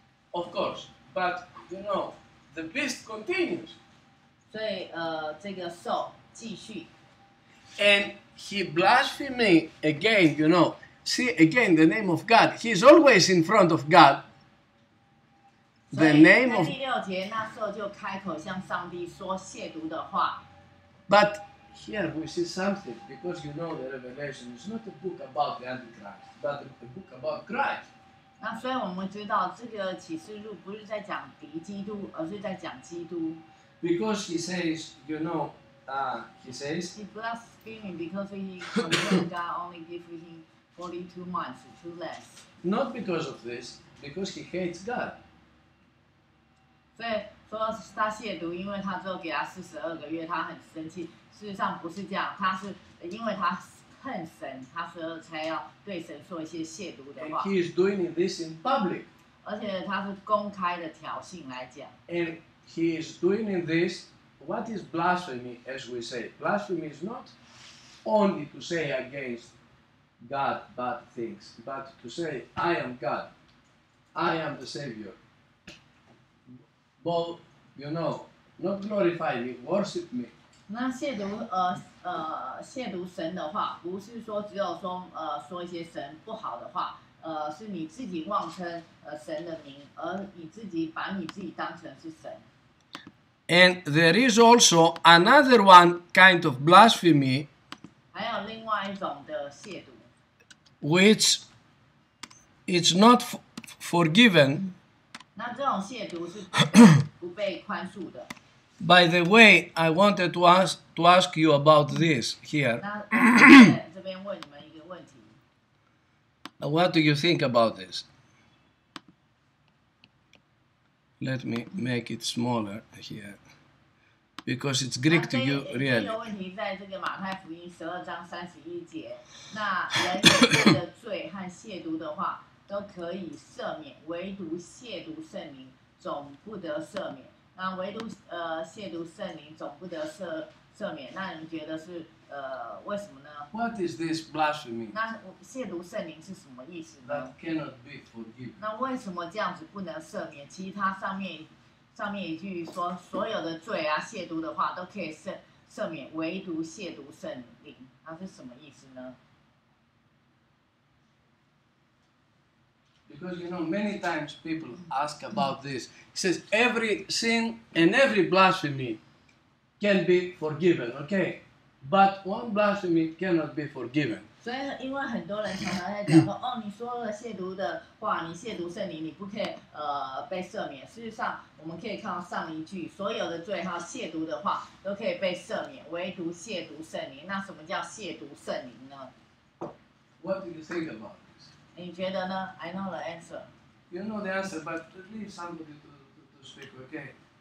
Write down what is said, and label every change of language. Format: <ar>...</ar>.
<en>Of course, but you know, the beast continues.</en> <zh>所以这个兽继续。</zh> <en>And he blasphemed again, you know. See again the name of God. He is always in front of God. The name of.</en> <zh>所以在第六节，那兽就开口向上帝说亵渎的话。</zh> <en>But here we see something, because you know the Revelation is not a book about the Antichrist, but a book about Christ.</en> <zh>那所以我们知道这个启示录不是在讲敌基督，而是在讲基督。</zh> <en>Because he says, you know, he says, he blasphemed because he complained God only gave him 42 months, two less. Not because of this, because he hates God.</en> <zh>所以说他亵渎，因为他只有给他42个月，他很生气。事实上不是这样，他是因为他恨神，他所以才要对神说一些亵渎的话。</zh> <en>And he is doing this in public.</en> <zh>而且他是公开的挑衅来讲。</zh> <en>He is doing in this, what is blasphemy, as we say? Blasphemy is not only to say against God bad things, but to say, I am God, I am the Savior. But, you know, not glorify me, worship me.</en> <zh>那亵渎亵渎神的话，不是说只有说说一些神不好的话，是你自己妄称神的名，而你自己把你自己当成是神。</zh> <en>And there is also another one kind of blasphemy,</en> <zh>还有另外一种的亵渎,</zh> <en>which is not forgiven.</en> <zh>那这种亵渎是不被宽恕的。</zh> <en>By the way, I wanted to ask you about this here.</en> <zh>那这边问你们一个问题。</zh> <en>What do you think about this? Let me make it smaller here, because it's Greek to you, really.</en> <zh>这个问题在这个马太福音12章31节，那人犯的罪和亵渎的话都可以赦免，唯独亵渎圣灵总不得赦免。那唯独亵渎圣灵总不得赦免，那你觉得是为什么呢</zh> <en>？What is this blasphemy?</en> <zh>那亵渎圣灵是什么意思呢</zh> <en>？That cannot be forgiven.</en> <zh>那为什么这样子不能赦免？其实它上面一句说，所有的罪啊、亵渎的话都可以赦免，唯独亵渎圣灵，它是什么意思呢</zh> <en>？Because you know, many times people ask about this. It says every sin and every blasphemy can be forgiven. Okay. But one blasphemy cannot be forgiven.</en> <zh>所以，因为很多人常常在讲说，哦，你说了亵渎的话，你亵渎圣灵，你不可以被赦免。事实上，我们可以看到上一句，所有的罪和亵渎的话都可以被赦免，唯独亵渎圣灵。那什么叫亵渎圣灵呢</zh> <en>？What do you think about this?</en> <zh>你觉得呢</zh> <en>？I know the answer. You know the answer, but leave somebody to speak, okay?</en>